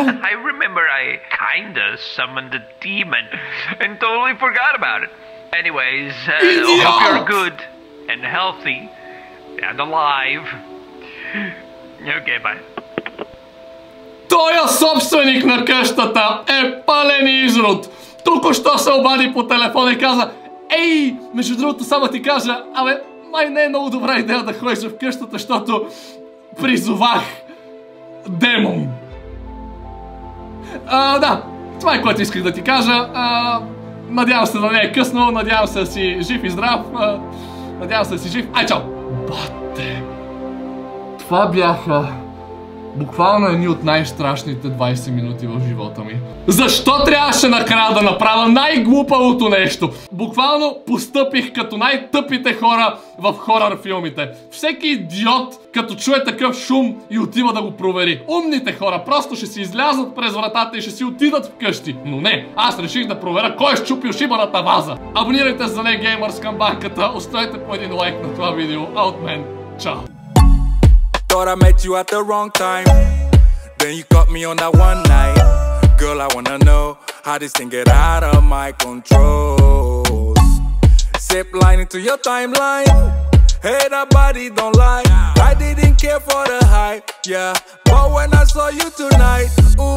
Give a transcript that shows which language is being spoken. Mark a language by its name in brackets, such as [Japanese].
[English] I remember I kinda summoned a demon and totally forgot about it. Anyways, Idiot! Hope you're good and healthy and alive. Okay, bye. T- [Bulgarian] Той е собственик на къщата! Е пален изрод! Току-що се обади по телефона и каза: Ей, между другото, само ти кажа, абе, май не е много добра идея да ходиш в къщата, защото призовах демон. Да, това е което исках да ти кажа. Надявам се да не е късно, надявам се да си жив и здрав. Надявам се да си жив. Ай, чао! Бате, това бяха буквално едни от най-страшните 20 минути в живота ми. Защо трябваше накрая да направя най-глупавото нещо? Буквално постъпих като най-тъпите хора в хорър филмите. Всеки идиот, като чуе такъв шум и отива да го провери. Умните хора просто ще си излязат през вратата и ще си отидат вкъщи. Но не, аз реших да проверя кой е счупил шибаната ваза. Абонирайте се за NeGamers към банката, оставете по един лайк на това видео. А от мен, чао! [English] Thought I met you at the wrong time. Then you caught me on that one night. Girl, I wanna know how this thing get out of my controls. Zip line into your timeline. Hey, that body don't lie. I didn't care for the hype, yeah. But when I saw you tonight, ooh.